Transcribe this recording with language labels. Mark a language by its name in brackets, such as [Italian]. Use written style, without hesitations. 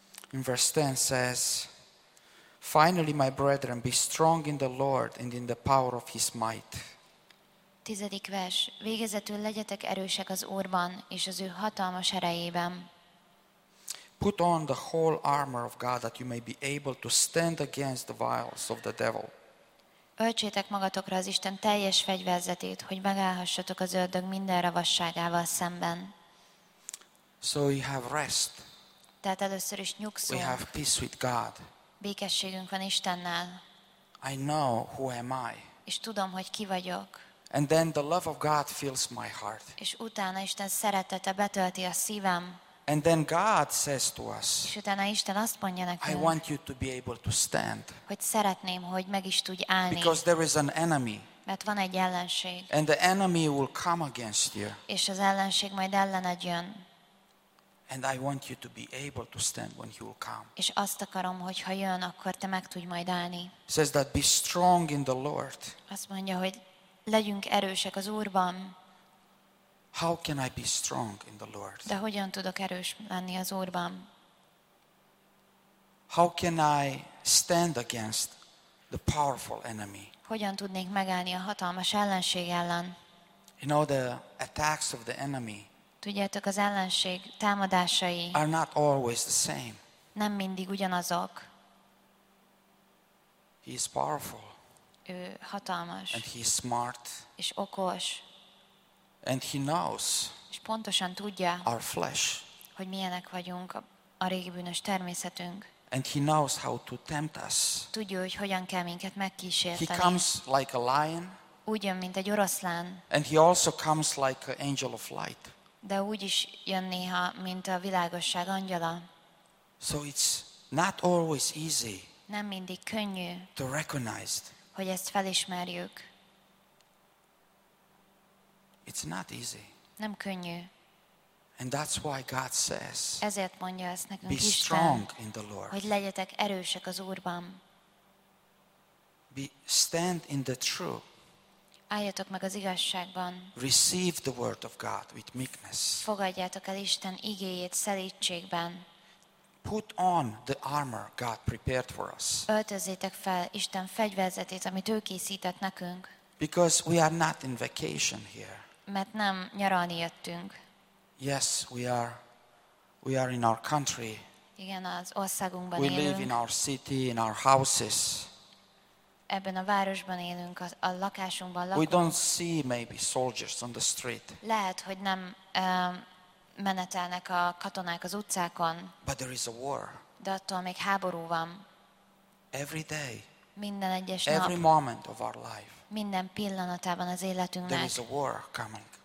[English] In verse 10 says, finally, my brethren, be strong in the Lord and in the power of his might. [Hungarian] Tizedik vers. Végezetül legyetek erősek az Úrban és az ő hatalmas erejében. [English] Put on the whole armor of God that you may be able to stand against the wiles of the devil. [Hungarian] Öltsétek magatokra az Isten teljes fegyverzetét, hogy megállhassatok az ördög minden ravasságával szemben. [English] So we have rest. [Hungarian] Tehát először is nyugszunk. [English] We have peace with God. [Hungarian] Békességünk van Istennel. [English] I know who am I. [Hungarian] És tudom, hogy ki vagyok. [English] And then the love of God fills my heart. [Hungarian] És utána Isten szeretete betölti a szívem. [English] And then God says to us. [Hungarian] És utána Isten azt mondja nekünk. [English] I want you to be able to stand. [Hungarian] Hogy szeretném, hogy meg is tudj állni. [English] Because there is an enemy. [Hungarian] Mert van egy ellenség. [English] And the enemy will come against you. [Hungarian] És az ellenség majd ellened jön. [English] And I want you to be able to stand when he will come. [Hungarian] És azt akarom, hogy ha jön, akkor te meg tudj majd állni. [English] Says that be strong in the Lord. [Hungarian] Azt mondja, hogy legyünk erősek az Úrban. [English] How can I be strong in the Lord? [Hungarian] De hogyan tudok erős lenni az Úrban? [English] How can I stand against the powerful enemy. [Hungarian] Hogyan tudnék megállni a hatalmas ellenség ellen? [English] You know, the attacks of the enemy. [Hungarian] Tudjátok, az ellenség támadásai. [English] Are not always the same. [Hungarian] Nem mindig ugyanazok. [English] He is powerful. [Hungarian] Ő hatalmas. [English] And he is smart. [Hungarian] És okos. [English] And he knows. [Hungarian] És pontosan tudja. [English] Our flesh. [Hungarian] Hogy milyenek vagyunk, a régi bűnös természetünk. [English] And he knows how to tempt us. [Hungarian] Tudja, hogy hogyan kell minket megkísérteni. [English] He comes like a lion. [Hungarian] Úgy jön, mint egy oroszlán. [English] And he also comes like an angel of light. [Hungarian] De úgy is jön néha, mint a világosság angyala. [English] So it's not always easy. [Hungarian] Nem mindig könnyű. [English] To recognize. [Hungarian] Hogy ezt felismerjük. [English] It's not easy. [Hungarian] Nem könnyű. [English] And that's why God says. [Hungarian] Ezért mondja ezt nekünk Isten. [English] Be strong in the Lord. [Hungarian] Hogy legyetek erősek az Úrban. [English] Be stand in the truth. [Hungarian] Álljatok meg az igazságban. [English] Receive the word of God with meekness. [Hungarian] Fogadjátok el Isten igéjét szelídségben. [English] Put on the armor God prepared for us. [Hungarian] Öltözzétek fel Isten fegyverzetét, amit ő készített nekünk. [English] Because we are not in vacation here. [Hungarian] Mert nem nyaralni jöttünk. [English] Yes, we are in our country. [Hungarian] Igen, az országunkban élünk. [English] We live in our city, in our houses. [Hungarian] Ebben a városban élünk, a lakásunkban lakunk. [English] We don't see maybe soldiers on the street. [Hungarian] Lehet, hogy nem menetelnek a katonák az utcákon. [English] But there is a war. [Hungarian] De attól még háború van. [English] Every day. [Hungarian] Minden egyes nap. [English] Every moment of our life. [Hungarian] Minden pillanatában az életünknek. [English] There is a war coming.